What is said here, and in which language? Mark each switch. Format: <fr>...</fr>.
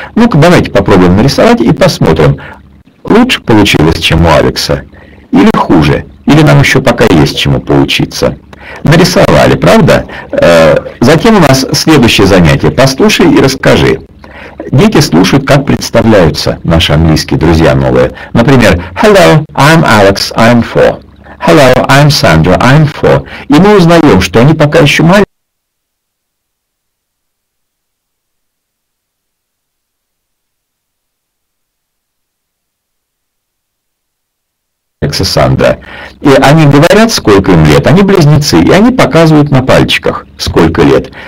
<ru>Ну-ка, давайте попробуем нарисовать и посмотрим, лучше получилось, чем у Алекса, или хуже, или нам еще пока есть чему поучиться. Нарисовали, правда? Затем у нас следующее занятие. Послушай и расскажи. Дети слушают, как представляются наши английские друзья новые. Например,</ru> <en>«Hello, I'm Alex, I'm 4». «Hello, I'm Sandra, I'm 4».</en> <ru>И мы узнаем, что они пока еще маленькие. Сандра. И они говорят, сколько им лет, они близнецы, и они показывают на пальчиках, сколько лет.</ru>